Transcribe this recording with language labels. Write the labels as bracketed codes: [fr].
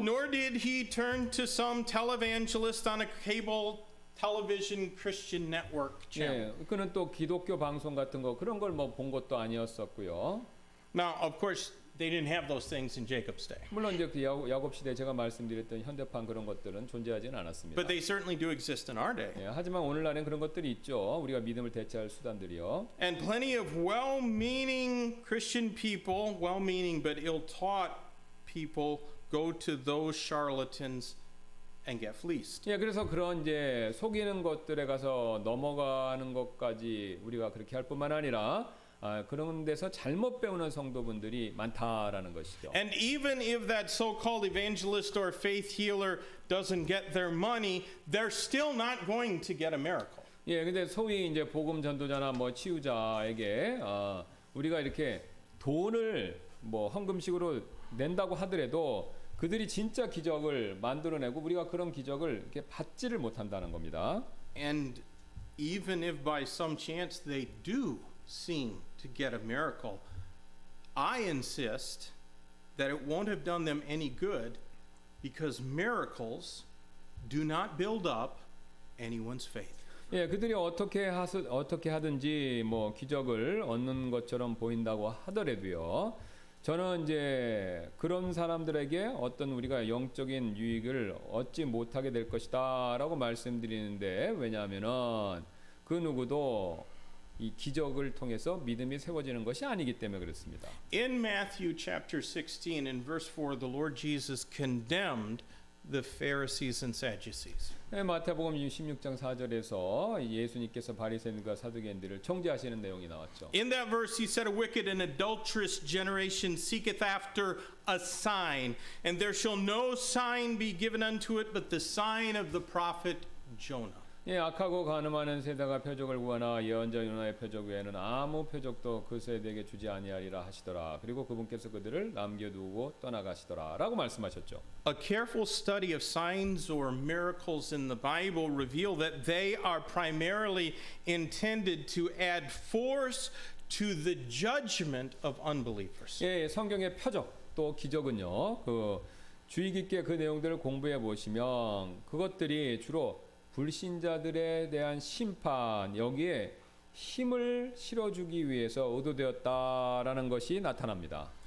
[en] Nor did he turn to some televangelist on a cable. Television Christian Network channel. [ko] 예, 그는 또 기독교 방송 같은 거 그런 걸 뭐 본 것도 아니었었고요. [en] Now, of course, they didn't have those things in Jacob's day. [ko] 물론 이제 그 야곱 시대 제가 말씀드렸던 현대판 그런 것들은 존재하지는 않았습니다. [en] But they certainly do exist in our day. [ko] 예, 하지만 오늘날엔 그런 것들이 있죠. 우리가 믿음을 대체할 수단들이요. [en] And plenty of well-meaning Christian people, well-meaning but ill-taught people, go to those charlatans. And get fleeced. [ko] 예, 그래서 그런 이제 속이는 것들에 가서 넘어가는 것까지 우리가 그렇게 할 뿐만 아니라 아, 그런 데서 잘못 배우는 성도분들이 많다라는 것이죠. [en] And even if that so-called evangelist or faith healer doesn't get their money, they're still not going to get a miracle. [ko] 예, 근데 소위 이제 복음 전도자나 뭐 치유자에게 아, 우리가 이렇게 돈을 뭐 헌금식으로 낸다고 하더라도 그들이 진짜 기적을 만들어내고 우리가 그런 기적을 이렇게 받지를 못한다는 겁니다. [en] And even if by some chance they do seem to get a miracle, I insist that it won't have done them any good because miracles do not build up anyone's faith. [ko] 예, 그들이 어떻게 하든지 뭐 기적을 얻는 것처럼 보인다고 하더라도요. 저는 이제 그런 사람들에게 어떤 우리가 영적인 유익을 얻지 못하게 될 것이다 라고 말씀드리는데 왜냐하면은 그 누구도 이 기적을 통해서 믿음이 세워지는 것이 아니기 때문에 그렇습니다. [en] In Matthew chapter 16 in verse 4 the Lord Jesus condemned the Pharisees and Sadducees. [ko] 네, 마태복음 16장 4절에서 예수님께서 바리새인과 사두개인들을 정죄하시는 내용이 나왔죠. [en] In that verse he said a wicked and adulterous generation seeketh after a sign and there shall no sign be given unto it but the sign of the prophet Jonah. [ko] 예, 악하고 간음하는 세대가 표적을 구하나 예언자 요나의 표적 외에는 아무 표적도 그 세대에게 주지 아니하리라 하시더라. 그리고 그분께서 그들을 남겨두고 떠나가시더라라고 말씀하셨죠. [en] A careful study of signs or miracles in the Bible reveal that they are primarily intended to add force to the judgment of unbelievers. [ko] 예, 성경의 표적 또 기적은요, 그 주의 깊게 그 내용들을 공부해 보시면 그것들이 주로 불신자들에 대한 심판 여기에 힘을 실어주기 위해서 의도되었다라는 것이 나타납니다.